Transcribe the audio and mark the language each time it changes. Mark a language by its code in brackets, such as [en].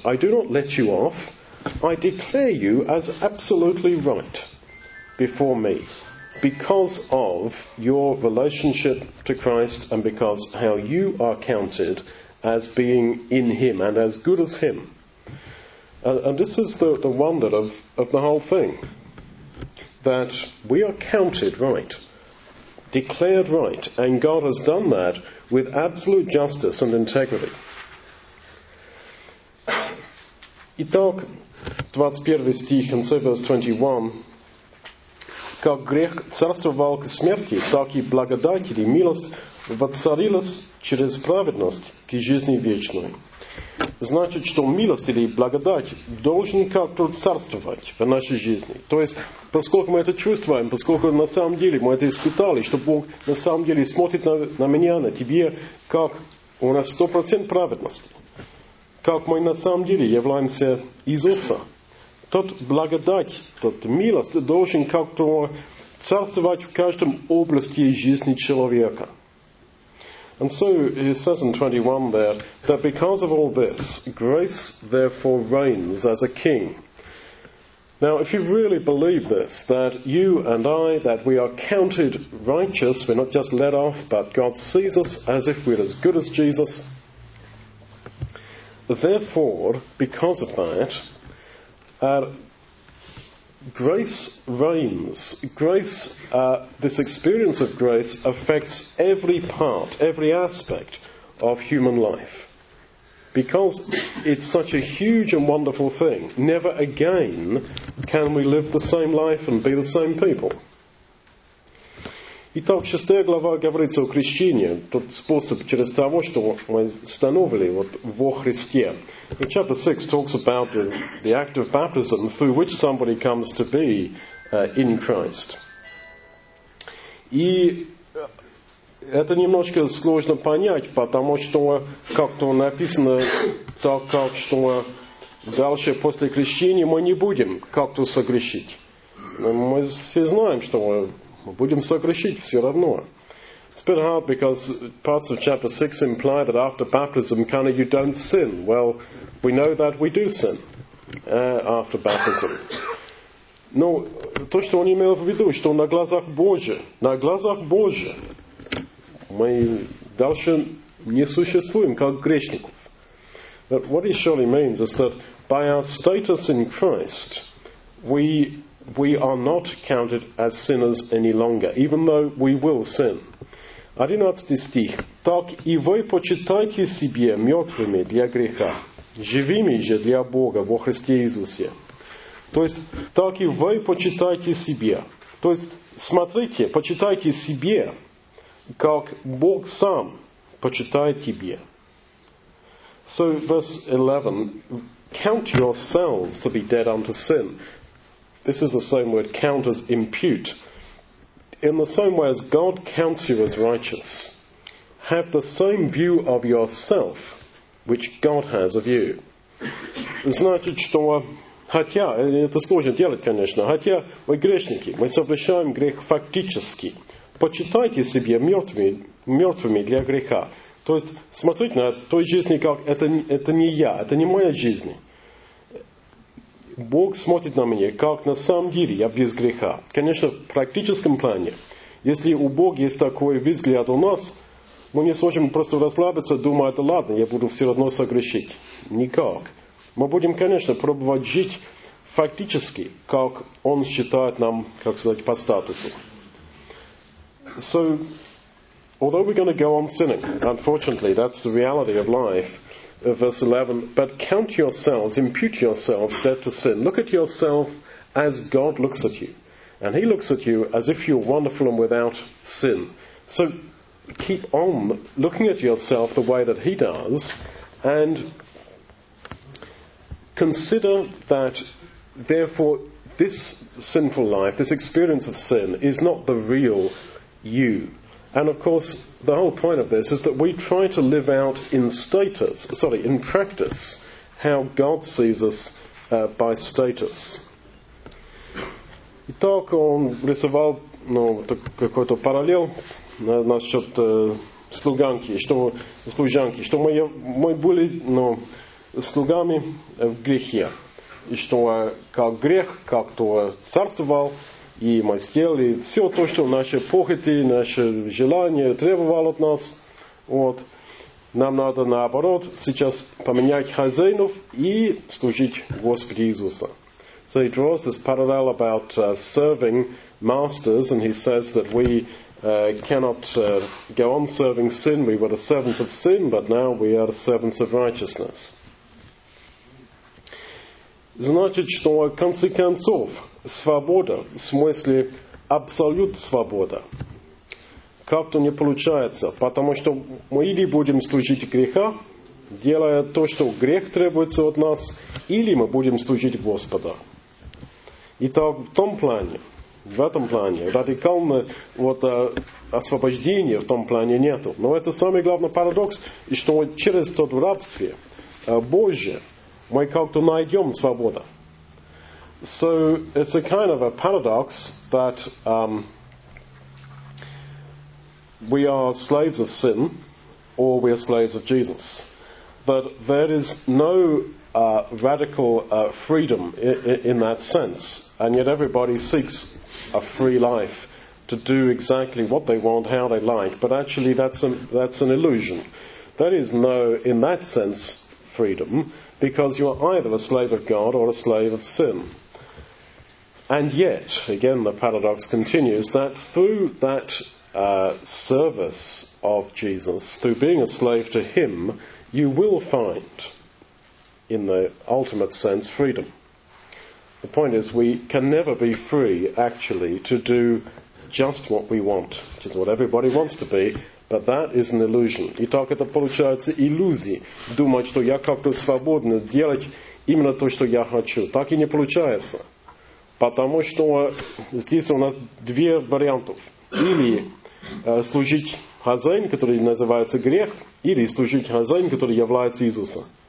[en] I do not let you off. I declare you as absolutely right before me, because of your relationship to Christ and because how you are counted as being in him and as good as him. And this is the wonder of the whole thing, that we are counted right, declared right, and God has done that with absolute justice and integrity. [ru] Итак, 21 стих, [en] and so verse 21, [ru] как грех царствовал к смерти, так и благодать или милость воцарилась через праведность к жизни вечной. Значит, что милость или благодать должен как-то царствовать в нашей жизни. То есть, поскольку мы это чувствуем, поскольку на самом деле мы это испытали, что Бог на самом деле смотрит на меня, на тебе, как у нас 100% праведности, как мы на самом деле являемся Иисусом. Тот благодать, тот милость должен как-то царствовать в каждом области жизни человека. [en] And so he says in 21 there, that because of all this, grace therefore reigns as a king. Now if you really believe this, that you and I, that we are counted righteous, we're not just let off, but God sees us as if we're as good as Jesus. Therefore, because of that, grace reigns. Grace, this experience of grace affects every part, every aspect of human life. Because it's such a huge and wonderful thing, never again can we live the same life and be the same people. [ru] Итак, 6 глава говорится о крещении, тот способ через того, что мы становили вот во Христе. [en] And chapter 6 talks about the act of baptism through which somebody comes to be in Christ. [ru] И это немножко сложно понять, потому что как-то написано так, как что дальше после крещения мы не будем как-то согрешить. Мы все знаем, что мы будем согрешить все равно. [en] It's a bit hard because parts of chapter 6 imply that after baptism kind of you don't sin. Well, we know that we do sin after baptism. [ru] Но то, что он имел в виду, что на глазах Божьих мы дальше не существуем как грешников. [en] But what he surely means is that by our status in Christ, we are not counted as sinners any longer, even though we will sin. [ru] 11 стих. Так и вы почитайте себе мертвыми для греха, живыми же для Бога во Христе Иисусе. То есть, так и вы почитайте себе. То есть, смотрите, почитайте себе, как Бог сам почитает тебе. [en] So, verse 11. Count yourselves to be dead unto sin. This is the same word, count as impute. In the same way as God counts you as righteous, have the same view of yourself which God has of you. [ru] Значит, что хотя, это сложно делать, конечно, хотя мы грешники, мы совершаем грех фактически. Почитайте себя мертвыми для греха. То есть смотрите на той жизни, как это не я, это не моя жизнь. Бог смотрит на меня, как на самом деле я без греха. Конечно, в практическом плане, если у Бога есть такой взгляд у нас, мы не сможем просто расслабиться, думая, да ладно, я буду все равно согрешить. Никак. Мы будем, конечно, пробовать жить фактически, как Он считает нам, как сказать, по статусу. [en] So, although we're going to go on sinning, unfortunately, that's the reality of life, verse 11, but count yourselves, impute yourselves dead to sin. Look at yourself as God looks at you. And He looks at you as if you're wonderful and without sin. So, keep on looking at yourself the way that He does, and consider that, therefore, this sinful life, this experience of sin, is not the real you. And of course, the whole point of this is that we try to live out in practice, how God sees us by status. [ru] Итак, он рисовал какой-то параллель насчет служанки, что мы были слугами в грехе, и что как грех как-то царствовал, и мы сделали все то, что наши похоти, наши желания требовали от нас. Вот. Нам надо, наоборот, сейчас поменять хозяинов и служить Господу Иисуса. [en] So he draws this parallel about serving masters, and he says that we cannot go on serving sin. We were the servants of sin, but now we are the servants of righteousness. [ru] Значит, что в конце концов, свобода, в смысле абсолют свобода, как-то не получается, потому что мы или будем служить греха, делая то, что грех требуется от нас, или мы будем служить Господа. Итак, в том плане, в этом плане, радикально освобождения в том плане нету. Но это самый главный парадокс, что через тот в рабстве Божие мы как-то найдем свободу. [en] So it's a kind of a paradox that we are slaves of sin or we are slaves of Jesus. But there is no radical freedom in that sense. And yet everybody seeks a free life to do exactly what they want, how they like. But actually that's an illusion. There is no, in that sense, freedom, because you are either a slave of God or a slave of sin. And yet, again, the paradox continues that through that service of Jesus, through being a slave to Him, you will find, in the ultimate sense, freedom. The point is, we can never be free, actually, to do just what we want, which is what everybody wants to be, but that is an illusion. [ru] Итак, это получается иллюзия, думать, что я как-то свободен делать именно то, что я хочу. Так и не получается. Потому что здесь у нас две вариантов. Или служить хозяину, который называется грех, или служить хозяину, который является Иисусом.